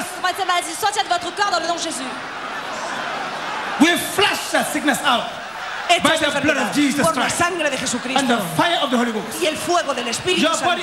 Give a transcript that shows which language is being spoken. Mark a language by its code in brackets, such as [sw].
[es] Toda esa maldición salga de tu cuerpo en el nombre de Jesús. [en] We flush that sickness out. By the blood of Jesus Christ. [es] Por la sangre de Jesucristo. [en] And the fire of the Holy Ghost. [es] Y el fuego del Espíritu Santo.